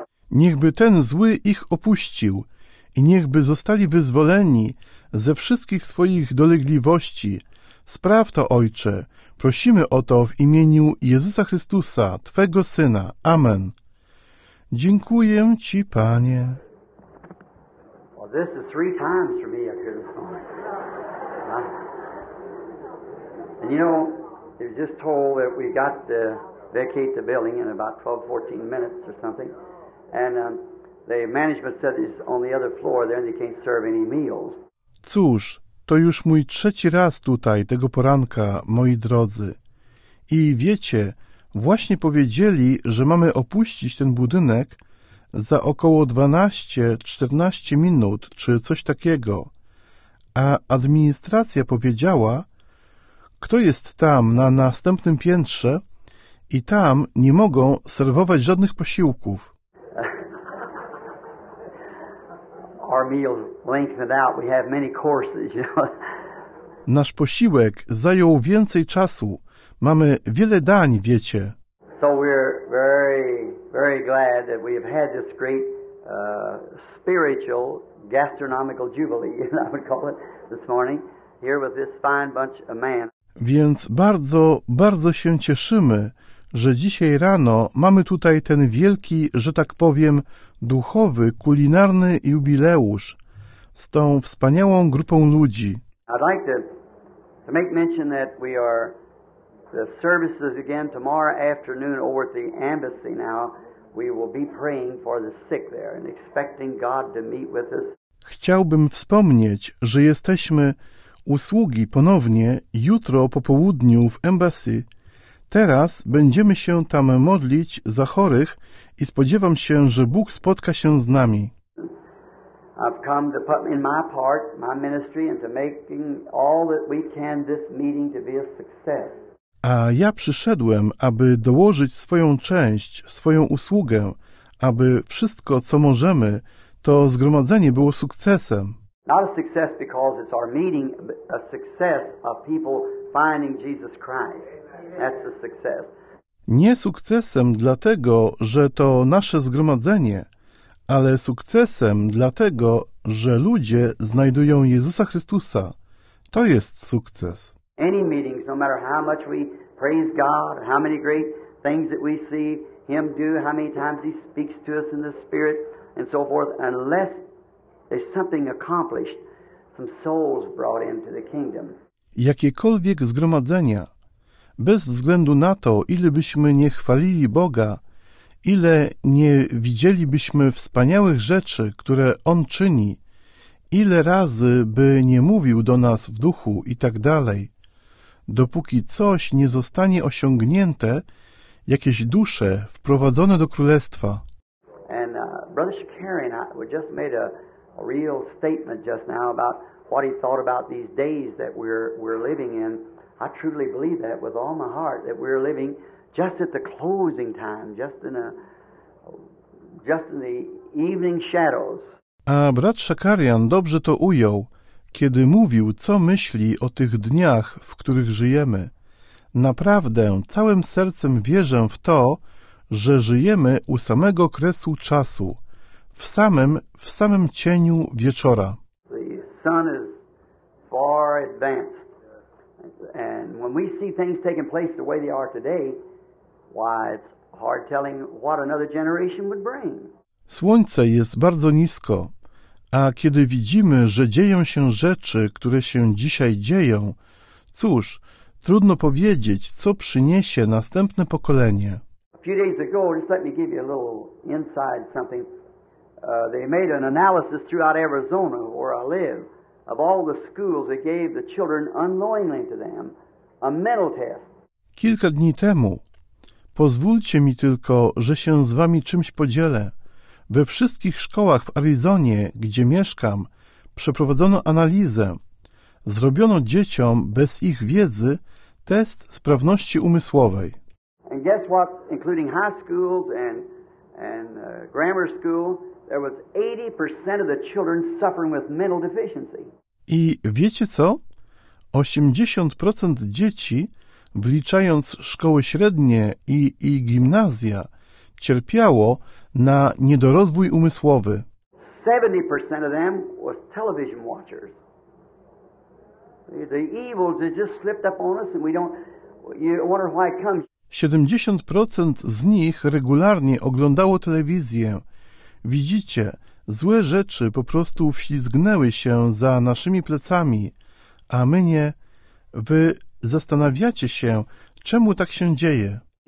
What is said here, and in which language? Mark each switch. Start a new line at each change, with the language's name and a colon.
Polish: Niechby ten zły ich opuścił i niechby zostali wyzwoleni ze wszystkich swoich dolegliwości. Spraw to, Ojcze, prosimy o to w imieniu Jezusa Chrystusa, Twego Syna. Amen. Dziękuję Ci, Panie.
English: Well, this is three times for me up here this morning. And you know, I was just told that we got to vacate the building in about 12-14 minutes or something. And the management said it's on the other floor there and they can't serve any meals.
Polish: Cóż, to już mój trzeci raz tutaj tego poranka, moi drodzy. I wiecie, właśnie powiedzieli, że mamy opuścić ten budynek za około 12-14 minut czy coś takiego. A administracja powiedziała, kto jest tam na następnym piętrze i tam nie mogą serwować żadnych posiłków.
English: Our meals lengthened out. We have many courses, you know.
Polish: Nasz posiłek zajął więcej czasu. Mamy wiele dań, wiecie.
English: So we're very, very glad that we have had this great spiritual gastronomical jubilee, as I would call it, this morning, here with this fine bunch of men.
Polish: Więc bardzo, bardzo się cieszymy, że dzisiaj rano mamy tutaj ten wielki, że tak powiem, duchowy, kulinarny jubileusz z tą wspaniałą grupą ludzi.
English: I'd like to make mention that we are the services again tomorrow afternoon over at the embassy now. We will be praying for the sick there and expecting God to meet with us.
Polish: Chciałbym wspomnieć, że jesteśmy usługi ponownie jutro po południu w embassy. Teraz będziemy się tam modlić za chorych i spodziewam się, że Bóg spotka się z nami.
English: I've come to put in my part, my ministry, and to making all that we can this meeting to be a success.
Polish: A ja przyszedłem, aby dołożyć swoją część, swoją usługę, aby wszystko, co możemy, to zgromadzenie było sukcesem.
English: Not a success because it's our meeting, but a success of people finding Jesus Christ. That's the success.
Polish: Nie sukcesem dlatego, że to nasze zgromadzenie, ale sukcesem dlatego, że ludzie znajdują Jezusa Chrystusa. To jest sukces.
English: Any meetings, no matter how much we praise God, how many great things that we see Him do, how many times He speaks to us in the Spirit, and so forth, unless there's something accomplished, some souls brought into the kingdom.
Polish: Jakiekolwiek zgromadzenia, bez względu na to, ile byśmy nie chwalili Boga, ile nie widzielibyśmy wspaniałych rzeczy, które On czyni, ile razy by nie mówił do nas w duchu i tak dalej, dopóki coś nie zostanie osiągnięte, jakieś dusze wprowadzone do Królestwa.
English: And Brother Shakarian just made a real statement just now about what he thought about these days that we're living in. I truly believe that with all my heart, that we're living just at the closing time, just in the evening shadows.
Polish: A brat Shakarian dobrze to ujął, kiedy mówił, co myśli o tych dniach, w których żyjemy. Naprawdę, całym sercem wierzę w to, że żyjemy u samego kresu czasu, w samym cieniu wieczora.
English: The sun is far advanced. And when we see things taking place the way they are today, why, it's hard telling what another generation would bring.
Polish: Słońce jest bardzo nisko, a kiedy widzimy, że dzieją się rzeczy, które się dzisiaj dzieją, cóż, trudno powiedzieć, co przyniesie następne pokolenie.
English: A few days ago, just let me give you a little inside something. They made an analysis throughout Arizona, where I live, of all the schools that gave the children unknowingly to them a mental test.
Polish: Kilka dni temu, pozwólcie mi tylko, że się z wami czymś podzielę. We wszystkich szkołach w Arizonie, gdzie mieszkam, przeprowadzono analizę. Zrobiono dzieciom, bez ich wiedzy, test sprawności umysłowej.
English: And guess what, including high schools and grammar school, there was 80% of the children suffering with mental deficiency.
Polish: I wiecie co? 80% dzieci, wliczając szkoły średnie i gimnazja, cierpiało na niedorozwój umysłowy.
English: 70% of them was television watchers. The evils that just slipped up on us and we don't, you wonder why it comes.
Polish: 70% z nich regularnie oglądało telewizję. Widzicie, złe rzeczy po prostu wślizgnęły się za naszymi plecami, a my nie. Wy zastanawiacie się, czemu tak się dzieje.